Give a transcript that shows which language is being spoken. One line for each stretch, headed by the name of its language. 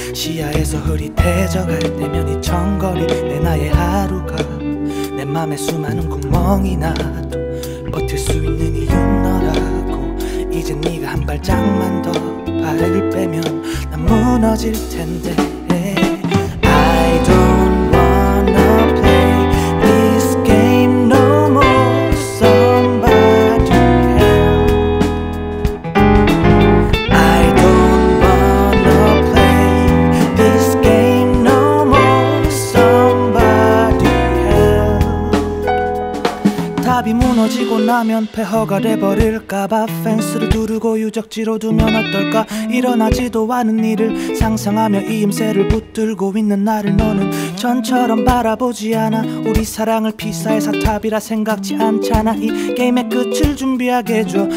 Korean: 시야에서 흐릿해져갈 때면 이 청거리 내 나의 하루가 내 맘에 수많은 구멍이 나도 버틸 수 있는 이유는 너라고. 이제 네가 한 발짝만 더 발을 빼면 난 무너질 텐데.
English: I don't wanna play this game no more. Somebody else. I don't wanna play this game no more. Somebody else.
Korean: 답이 무너지고 나면 폐허가 돼버릴까봐 펜스를 두르고 유적지로 두면 어떨까. 일어나지도 않은 일을 상상하며 이 임새를 붙들고 있는 나를 너는 전처럼 바라보지 않아. 우리 사랑을 피사의 사탑이라 생각지 않잖아. 이 게임의 끝을 준비하게 해줘.